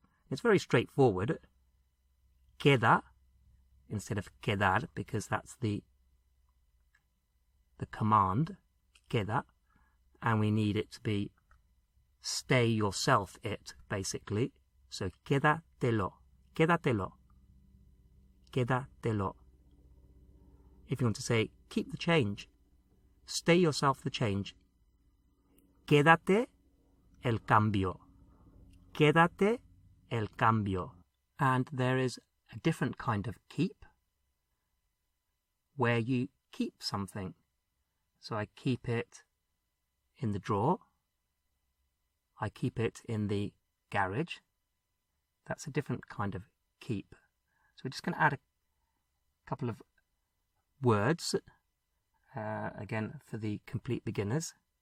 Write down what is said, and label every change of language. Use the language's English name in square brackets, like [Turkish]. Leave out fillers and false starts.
[English] It's very straightforward. Queda instead of quedar, because that's the command, queda, and we need it to be stay yourself it, basically. [Spanish] So, quédatelo, quédatelo, quédatelo. [English] If you want to say, keep the change, stay yourself the change. [Spanish] Quédate el cambio, quédate el cambio. [English] And there is a different kind of keep, where you keep something. So I keep it in the drawer, I keep it in the garage. That's a different kind of keep. So we're just going to add a couple of words, again, for the complete beginners.